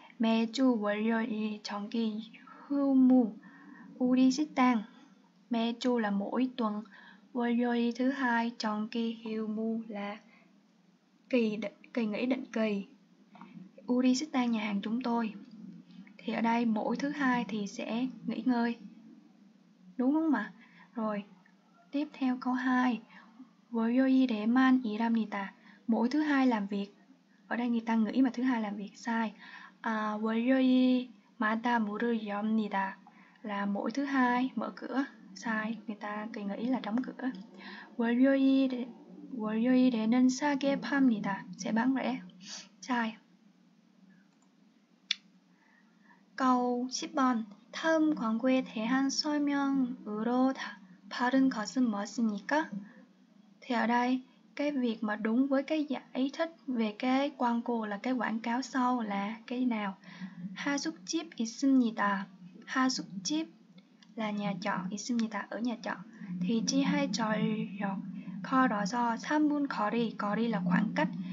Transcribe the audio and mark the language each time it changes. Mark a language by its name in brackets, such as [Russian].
[Korean] 매주 월요일 정기 휴무 우리 식당. 매주 [Vietnamese] là mỗi tuần, [Korean] 월요일 [Vietnamese] thứ hai, [Korean] 정기 휴무 [Vietnamese] là kỳ nghỉ định kỳ, [Korean] 우리 식당 [Vietnamese] nhà hàng chúng tôi. Thì ở đây mỗi thứ hai thì sẽ nghỉ ngơi, đúng không mà? Rồi tiếp theo câu 2. [Korean] 월요일 대만 일합니다. [Vietnamese] Mỗi thứ hai làm việc. Ở đây người ta nghĩ mà thứ hai làm việc sai. [Korean] 월요일 마다 문을 엽니다 [Vietnamese] là mỗi thứ hai mở cửa. Sai, người ta kỳ nghĩ là đóng cửa. [Korean] 월요일 대는 싸게 팝니다. [Vietnamese] Sẽ bán rẻ. Sai. Câu 10번. [Korean] 다음 광고에 대한 설명으로 바른 것은 무엇입니까? [Vietnamese] Thì ở đây, cái việc mà đúng với cái giải thích về cái quảng cáo là cái quảng cáo sau là cái nào? [Korean] 하숙집 있습니다. 하숙집 [Vietnamese] là nhà trọ, [Korean] 있습니다 [Vietnamese] ở nhà trọ. Thì [Korean] 지하철역 걸어서 3분 거리, 거리 [Vietnamese] là khoảng cách.